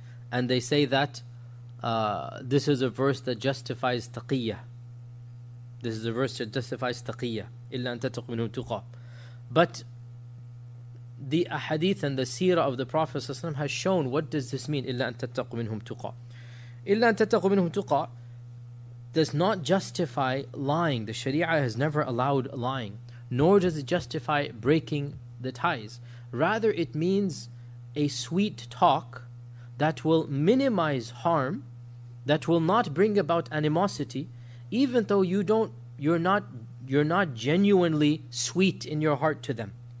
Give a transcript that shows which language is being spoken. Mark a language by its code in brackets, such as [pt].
[en] And they say that this is a verse that justifies taqiyya. This is a verse that justifies taqiyya. [ar] إِلَّا أَن تَتَّقُ مِنْهُ تُقَى. [en] But the ahadith and the seerah of the Prophet ﷺ has shown what does this mean, [ar] إِلَّا أَن تَتَّقُ مِنْهُمْ تُقَى. إِلَّا أَن تَتَّقُ مِنْهُمْ تُقَى [en] does not justify lying. The Sharia has never allowed lying. Nor does it justify breaking the ties. Rather, it means a sweet talk that will minimize harm, that will not bring about animosity, even though you're not genuinely sweet in your heart to them.